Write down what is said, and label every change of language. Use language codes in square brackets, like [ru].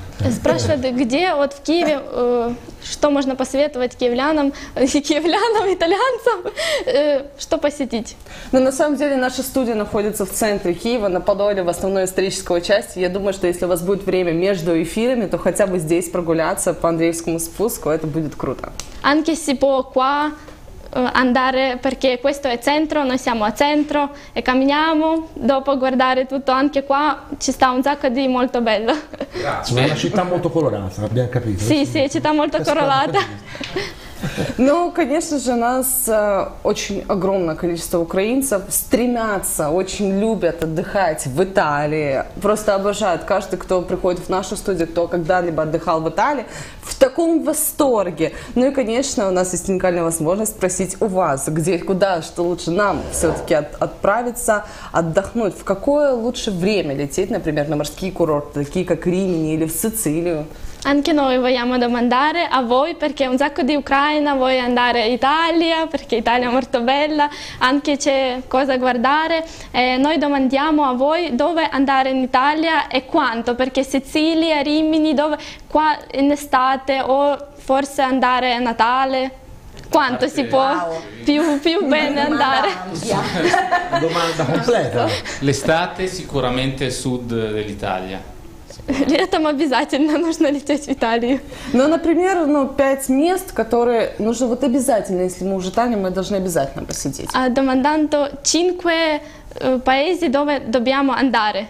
[ru] Спрашивают, где вот в Киеве, что можно посоветовать киевлянам, итальянцам, что посетить? Ну, на самом деле, наша студия находится в центре Киева, на Подоле, в основной исторической части. Я думаю, что если у вас будет время между эфирами, то хотя бы здесь прогуляться по Андреевскому спуску, это будет круто. [it] Anche si può qua andare, perché questo è centro, noi siamo a centro e camminiamo, dopo guardare tutto anche qua, ci sta un sacco di molto bello. Grazie. È una città molto colorata, abbiamo capito. Sì, sì, città molto colorata. [ru] Ну, конечно же, у нас очень огромное количество украинцев стремятся, очень любят отдыхать в Италии, просто обожают. Каждый, кто приходит в нашу студию, кто когда-либо отдыхал в Италии, в таком восторге. Ну и, конечно, у нас есть уникальная возможность спросить у вас, где, куда, что лучше нам все-таки отправиться, отдохнуть. В какое лучше время лететь, например, на морские курорты, такие как Римини или в Сицилию? [it] Anche noi vogliamo domandare a voi, perché un sacco di Ucraina vuole andare in Italia, perché Italia è molto bella, anche c'è cosa guardare. Noi domandiamo a voi dove andare in Italia e quanto, perché Sicilia, Rimini, dove, qua in estate o forse andare a Natale. Quanto si può più bene andare? Domanda completa. L'estate sicuramente è sud dell'Italia. [ru] Летом обязательно нужно лететь в Италию. Ну, например, ну, 5 мест, которые нужно вот обязательно, если мы уже там, мы должны обязательно посетить. [it] А domandando 5 paesi dove dobbiamo andare.